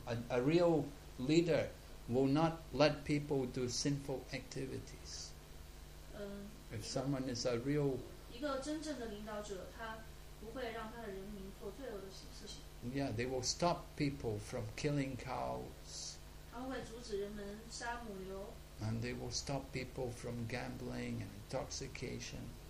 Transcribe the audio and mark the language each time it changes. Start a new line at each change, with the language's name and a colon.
English: A real leader will not let people do sinful activities. If someone is a real...
Chinese: 一个真正的领导者，他不会让他的人民做罪恶的事情。
English: Yeah, they will stop people from killing cows.
Chinese: 他会阻止人们杀母牛。
English: And they will stop people from gambling and intoxication.